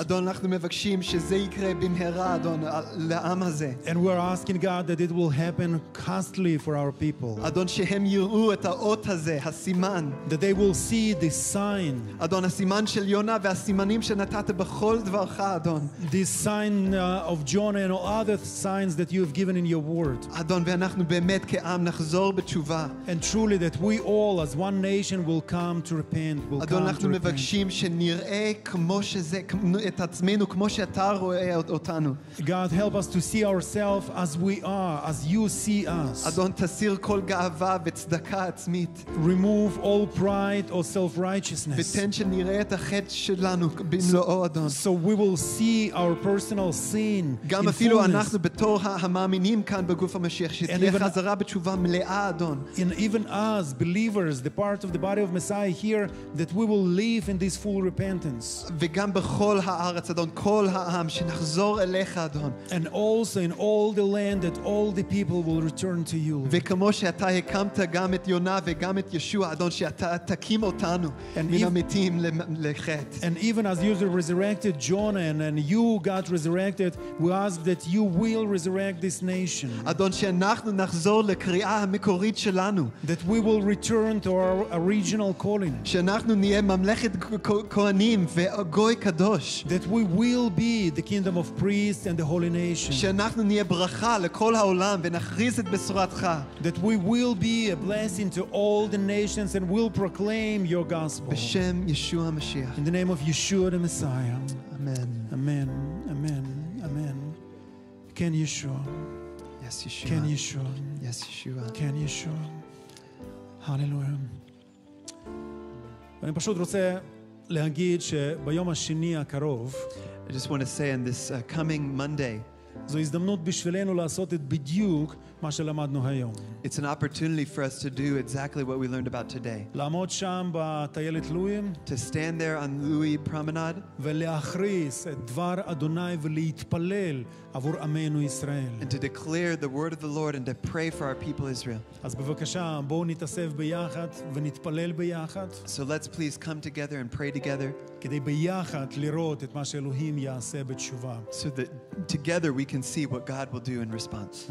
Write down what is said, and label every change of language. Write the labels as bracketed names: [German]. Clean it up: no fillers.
[Hebrew] Adon, אנחנו מבקשים שזה יקרה במהרה, אדון, לעם הזה. [English] And we're asking God that it will happen costly for our people. [Hebrew] אדון, שהם יראו את האות הזה, הסימן. [English] That they will see this sign. [Hebrew] אדון, הסימן של יונה והסימנים שנתת בכל דברך, אדון. [English] This sign of Jonah and all other signs that you have given in your word. [Hebrew] אדון, ואנחנו באמת כעם נחזור בתשובה. [English] And truly that we all as one nation will come to repent, will [Hebrew] אדון, [English] come to repent. [Hebrew] אדון, אנחנו מבקשים שנ נראה כמו שזה את עצמנו כמו שאתה רואה אותנו. [English] God, help us to see ourselves as we are, as you see us. [Hebrew] אדון, תסיר כל גאווה וצדקה עצמית. [English] Remove all pride or self-righteousness. [Hebrew] ותן שנראה את החטא שלנו במלואו, אדון. [English] So we will see our personal sin. [Hebrew] גם אפילו אנחנו בתור המאמינים כאן בגוף המשיח שתהיה חזרה בתשובה מלאה, אדון. [English] And even us believers, the part of the body of Messiah here, that we will live in this full repentance. [Hebrew] וגם בכל הארץ, אדון, כל העם שנחזור אליך, אדון. [English] And also in all the land that all the people will return to you. [Hebrew] וכמו שאתה הקמת גם את יונה וגם את ישוע, אדון, שאתה תקים אותנו מן המתים לחטא. [English] And even as you resurrected Jonah and you got resurrected, we ask that you will resurrect this nation. [Hebrew] אדון, שאנחנו נחזור לקריאה המקורית שלנו. [English] That we will return to our original calling. [Hebrew] שאנחנו נהיה ממלכת כהנים וגוי קדוש. [English] That we will be the kingdom of priests and the holy nation. [Hebrew] שאנחנו נהיה ברכה לכל העולם ונכריז את בשורתך. [English] That we will be a blessing to all the nations and will proclaim your gospel. [Hebrew] בשם ישוע המשיח. [English] In the name of Yeshua the Messiah. Amen. Amen. Amen. Amen. Can you show? Yes, Yeshua. Can you show? Yes, Yeshua. Can you show? Hallelujah. [Hebrew] אני פשוט רוצה להגיד שביום השני הקרוב, [English] I just want to say in this coming Monday, [Hebrew] זו הזדמנות בשבילנו לעשות את בדיוק מה שלמדנו היום. [English] It's an opportunity for us to do exactly what we learned about today. [Hebrew] לעמוד שם בטיילת לואי, [English] to stand there on Louis Promenade, [Hebrew] ולהכריז את דבר אדוני ולהתפלל עבור עמנו ישראל. [English] And to declare the word of the Lord and to pray for our people Israel. [Hebrew] אז בבקשה, בואו נתאסף ביחד ונתפלל ביחד. [English] So let's please come together and pray together. [Hebrew] כדי ביחד לראות את מה שאלוהים יעשה בתשובה. [English] So that together we can see what God will do in response.